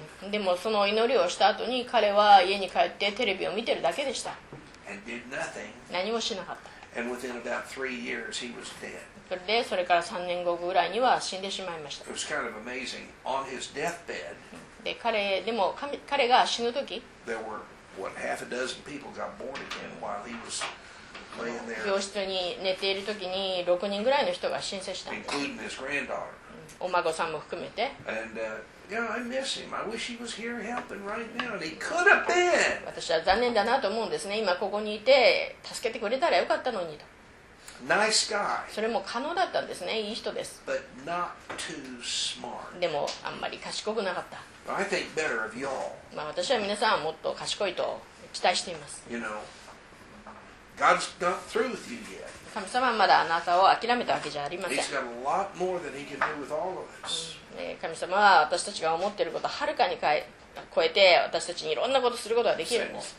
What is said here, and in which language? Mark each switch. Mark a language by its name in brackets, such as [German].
[Japanese] でもその祈りをした後に彼は家に帰ってテレビを見てるだけでした。 [English] And did nothing. [Japanese] 何もしなかった。 [English] And within about three years, he was dead. [Japanese] それでそれから3年後ぐらいには死んでしまいました。 [English] It was kind of amazing. On his deathbed, [Japanese] で彼でも彼が死ぬ時、 [English] there were what half a dozen people got born again while he was laying there. [Japanese] 病室に寝ている時に6人ぐらいの人が申請したんです。 [English] Including his granddaughter. [Japanese] お孫さんも含めて。 [English] And, Yeah, I miss him. I wish he was here helping right now. And he could have been. [Japanese] 私は残念だなと思うんですね。今ここにいて助けてくれたらよかったのにと。 [English] Nice guy. [Japanese] それも可能だったんですね。いい人です。 [English] But not too smart. [Japanese] でもあんまり賢くなかった。 [English] I think better of y'all. [Japanese] まあ私は皆さんはもっと賢いと期待しています。 [English] You know, God's not through with you yet. [Japanese] 神様はまだあなたを諦めたわけじゃありません。 [English] He's got a lot more than he can do with all of us. [Japanese] 神様は私たちが思っていることをはるかに超えて私たちにいろんなことをすることができるんです。